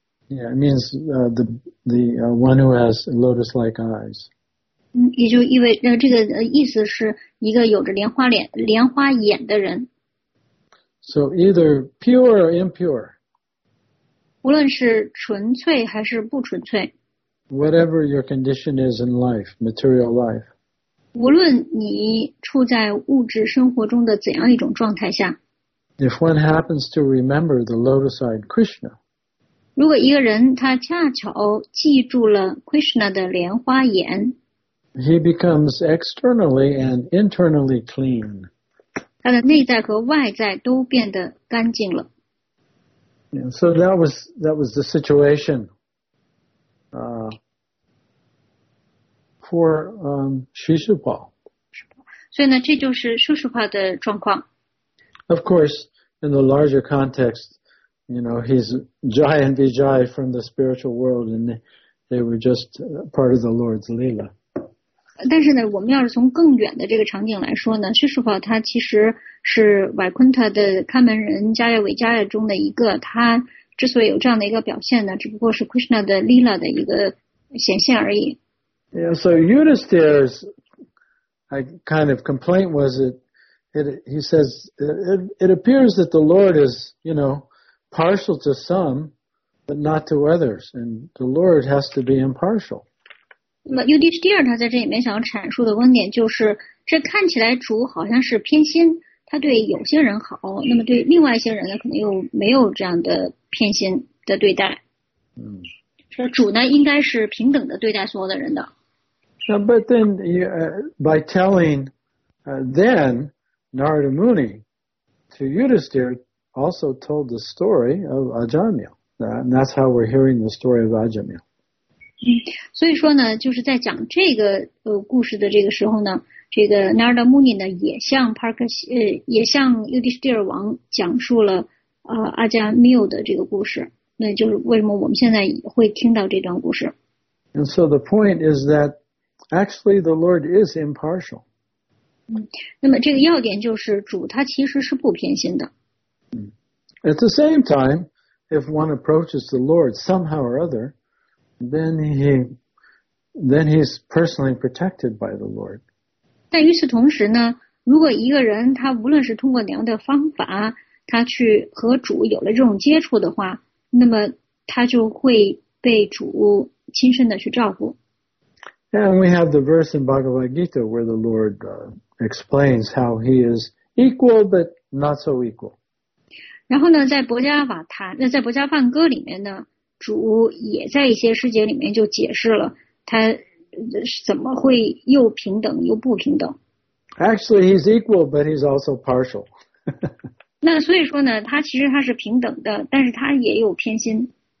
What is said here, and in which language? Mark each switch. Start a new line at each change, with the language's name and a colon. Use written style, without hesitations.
English: Yeah, it means the one who has lotus-like eyes.
Chinese: 也就意味这个意思是一个有着莲花眼的人。
English: So either pure or impure.
Chinese: 无论是纯粹还是不纯粹。
English: Whatever your condition is in life, material life.
Chinese: 无论你处在物质生活中的怎样一种状态下。
English: If one happens to remember the lotus-eyed Krishna,
Chinese: 如果一个人他恰巧记住了 Krishna 的莲花眼
English: he becomes externally and internally clean.
Chinese: 他的内在和外在都变得干净了
English: yeah, So that was the situation for Shishupal.
Chinese: 所以呢，这就是 Shishupal 的状况。
English: Of course, in the larger context, you know, he's Jai and Vijay from the spiritual world, and they were just part of the Lord's Leela.
Chinese: 但是呢，我们要是从更远的这个场景来说呢，虚实法他其实是瓦昆塔的看门人加耶维加耶中的一个。他之所以有这样的一个表现呢，只不过是 Krishna 的 Leela 的一个显现而已。
English: Yeah, so Yudhisthira's I kind of complaint was that he says it appears that the Lord is, you know, partial to some, but not to others, and the Lord has to be impartial.
Chinese: 那么 Yudhishthir 他在这里面想阐述的观点就是，这看起来主好像是偏心，他对有些人好，那么对另外一些人呢，可能又没有这样的偏心的对待。嗯，说主呢应该是平等的对待所有的人的。
English: But then by telling then Narada Muni to Yudhishthir also told the story of Ajamya, and that's how we're hearing the story of Ajamya.
Chinese: 嗯，所以说呢，就是在讲这个故事的这个时候呢，这个 Narada Muni 呢也向 Park 也向 Yudhishthir 王讲述了阿加缪的这个故事。那就是为什么我们现在会听到这段故事。
English: And so the point is that actually the Lord is impartial.
Chinese: 嗯，那么这个要点就是主他其实是不偏心的。
English: At the same time, if one approaches the Lord somehow or other. Then he's personally protected by the Lord.
Chinese: 但与此同时呢，如果一个人他无论是通过哪样的方法，他去和主有了这种接触的话，那么他就会被主亲身的去照顾。
English: And we have the verse in Bhagavad Gita where the Lord explains how he is equal but not so equal.
Chinese: 然后呢，在博迦瓦塔，那在博迦梵歌里面呢。主也在一些诗节里面就解释了他怎么会又平等又不平等。
English: Actually, he's equal, but he's also partial.
Chinese: 那所以说呢，他其实他是平等的，但是他也有偏心。